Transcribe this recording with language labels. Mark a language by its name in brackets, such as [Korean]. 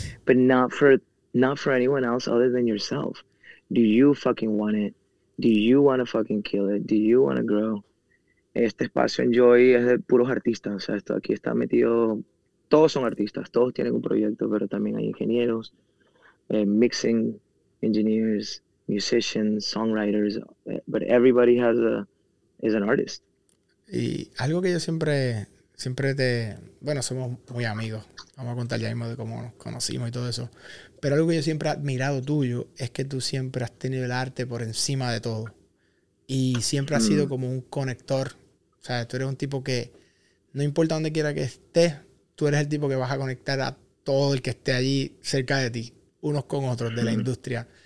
[English] But not for anyone else other than yourself. Do you fucking want it? Do you want to fucking kill it? Do you want to grow? [Spanish] Este espacio en Joy es de puros artistas. O sea, esto aquí está metido. Todos son artistas, todos tienen un proyecto, pero también hay ingenieros. [English] Mixing engineers, musicians, songwriters, but everybody has a is an artist. [Spanish] Y algo que yo siempre te, bueno, somos muy amigos. Vamos a contar ya mismo de cómo nos conocimos y todo eso. Pero algo que yo siempre he admirado tuyo es que tú siempre has tenido el arte por encima de todo. Y siempre has sido como un conector. O sea, tú eres un tipo que, no importa dónde quiera que estés, tú eres el tipo que vas a conectar a todo el que esté allí cerca de ti, unos con otros de la industria.